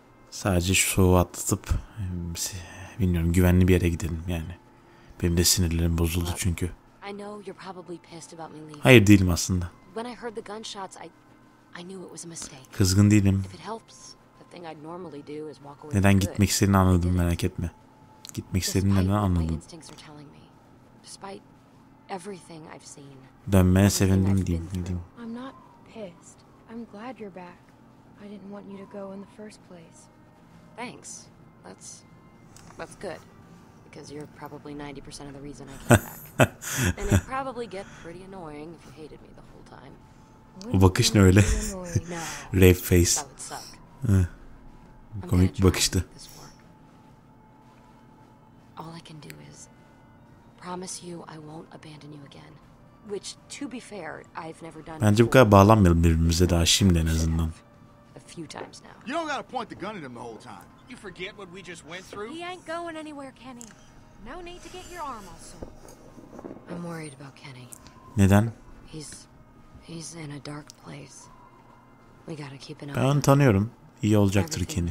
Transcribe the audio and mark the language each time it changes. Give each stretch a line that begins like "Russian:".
Turkish: Sadece şu soğuğu atlatıp bilmiyorum güvenli bir yere gidelim yani. Benim de sinirlerim bozuldu çünkü.
English: I know you're probably pissed about me leaving.
Turkish: Hayır değilim aslında.
English: When I heard the gunshots, I knew it was a mistake.
Turkish: Kızgın değilim.
English: If it helps, the thing I'd normally do is walk away.
Turkish: Neden gitmek istediğini anladım, merak etme. Gitmek istediğini neden anladım.
English: Despite everything I've seen.
Turkish: Dönmeye sevindim diyeyim.
English: I'm not pissed. I'm glad you're back. I didn't want you to go in the first place. Thanks. That's good. Because you're probably 90% of the reason I came back. And it'd probably get pretty annoying if you hated me the whole time. O bakış ne öyle? Rape face. Komik bir bakıştı. All I can do is promise you I won't abandon you again. Which, to be fair, I've never done.
Turkish: Bence bu kadar bağlanmayalım birbirimize daha şimdi en azından.
English: A few times now. You don't gotta point the gun at him the whole time. You forget what we just went through? He ain't going anywhere, Kenny. No need to get your arm all sore. I'm worried about Kenny.
Turkish: Neden?
English: He's in a dark place. We gotta keep an eye.
Turkish: Ben tanıyorum. İyi olacaktır Kenny.